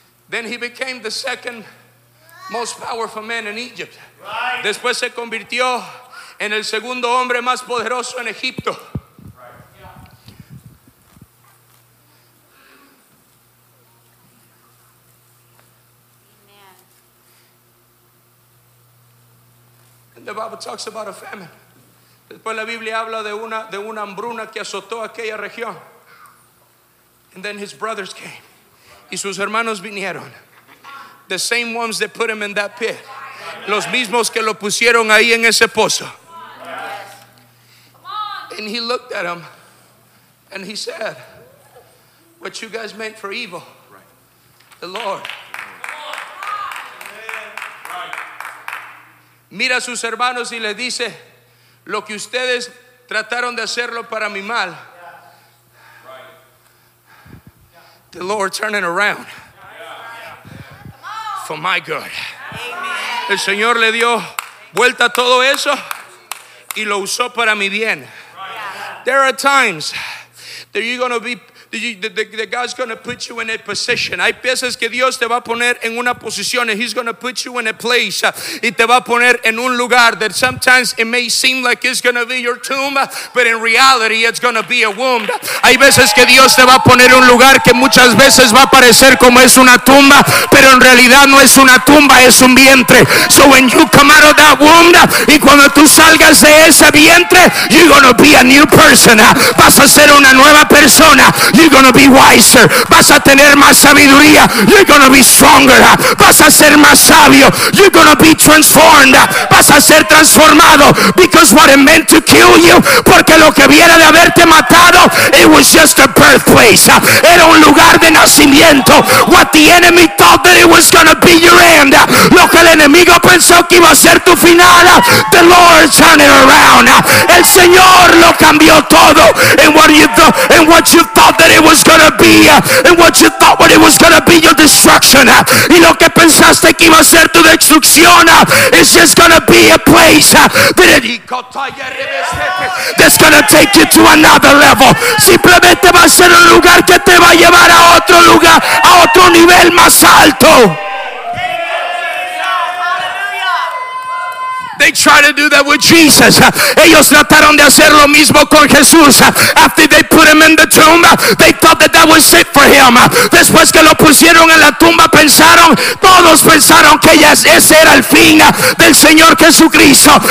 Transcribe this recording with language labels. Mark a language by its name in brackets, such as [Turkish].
[English] Then he became the second most powerful man in Egypt. [Spanish] Después se convirtió en el segundo hombre más poderoso en Egipto. [English] The Bible talks about a famine. [Spanish] Después la Biblia habla de una hambruna que azotó aquella región. [English] And then his brothers came. [Spanish] Y sus hermanos vinieron. [English] The same ones that put him in that pit. [Spanish] Los mismos que lo pusieron ahí en ese pozo. [English] And he looked at him and he said, what you guys meant for evil, the Lord. [Spanish] Mira a sus hermanos y le dice, lo que ustedes trataron de hacerlo para mi mal. [English] The Lord turning around for my good. [Spanish] El Señor le dio vuelta a todo eso y lo usó para mi bien. [English] There are times that you're going to be, that God's going to put you in a position. [Spanish] Hay veces que Dios te va a poner en una posición, [English] and he's going to put you in a place, [Spanish] y te va a poner en un lugar, [English] that sometimes it may seem like it's going to be your tomb, but in reality it's going to be a womb. [Spanish] Hay veces que Dios te va a poner en un lugar que muchas veces va a parecer como es una tumba, pero en realidad no es una tumba, es un vientre. [English] So when you come out of that womb, [Spanish] y cuando tú salgas de ese vientre, [English] you're going to be a new person. [Spanish] Vas a ser una nueva persona. [English] You're gonna be wiser. [Spanish] Vas a tener más sabiduría. [English] You're gonna be stronger. [Spanish] Vas a ser más sabio. [English] You're gonna be transformed. [Spanish] Vas a ser transformado. [English] Because what it meant to kill you, [Spanish] porque lo que viera de haberte matado, [English] it was just a birthplace. [Spanish] Era un lugar de nacimiento. [English] What the enemy thought that it was gonna be your end. [Spanish] Lo que el enemigo pensó que iba a ser tu final. [English] The Lord turned it around. [Spanish] El Señor lo cambió todo. [English] And what you thought, and what you thought that it was gonna be, and what you thought what it was gonna be, your destruction, [Spanish] y lo que pensaste que iba a ser tu destrucción, [English] it's just gonna be a place that's gonna take you to another level. [Spanish] Simplemente va a ser un lugar que te va a llevar a otro lugar, a otro nivel más alto. [English] They try to do that with Jesus. [Spanish] Ellos trataron de hacer lo mismo con Jesús. [English] After they put him in the tomb, they thought that that was it for him. [Spanish] Después que lo pusieron en la tumba, pensaron, todos pensaron que ese era el fin del Señor Jesucristo.